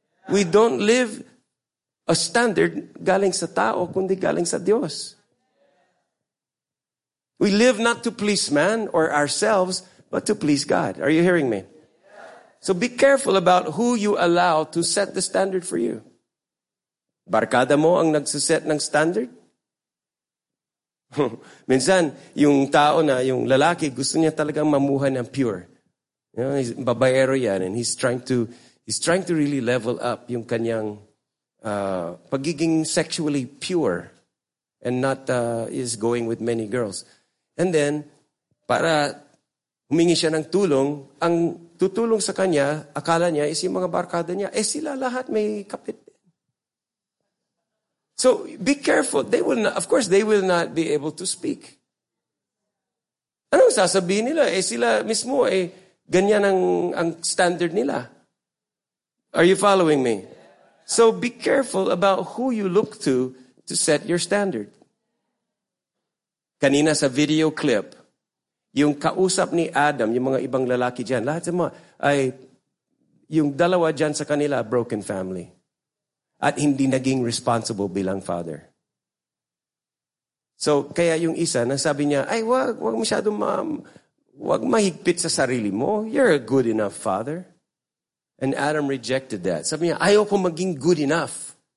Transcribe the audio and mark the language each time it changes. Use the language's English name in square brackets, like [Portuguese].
[English] We don't live a standard [Filipino] galing sa tao, kundi galing sa Diyos. [English] We live not to please man or ourselves, but to please God. Are you hearing me? So be careful about who you allow to set the standard for you. [Filipino] Barkada mo ang nagsuset ng standard? Minsan, yung tao na, yung lalaki, gusto niya talagang mamuhay ng pure. [English] You know, [Filipino] babaero yan, [English] and he's trying to really level up [Filipino] yung kanyang pagiging [English] sexually pure and not is going with many girls. [Filipino] And then, para humingi siya ng tulong, ang tutulong sa kanya, akala niya, is yung mga barkada niya. Eh, sila lahat may kapit. [English] So, be careful. They will not, of course, they will not be able to speak. [Filipino] Anong sasabihin nila? Eh, sila mismo, eh, ganyan ang standard nila. [English] Are you following me? So, be careful about who you look to set your standard. [Filipino] Kanina sa video clip, yung kausap ni Adam, yung mga ibang lalaki dyan, lahat sa mga, ay, yung dalawa dyan sa kanila, broken family. At hindi naging responsible bilang father. So, kaya yung isa, nasabi niya, ay, wag masyado, ma'am. Wag mahigpit sa sarili mo. [English] You're a good enough father. And Adam rejected that. [Filipino] Sabi niya, ayaw ko maging good enough.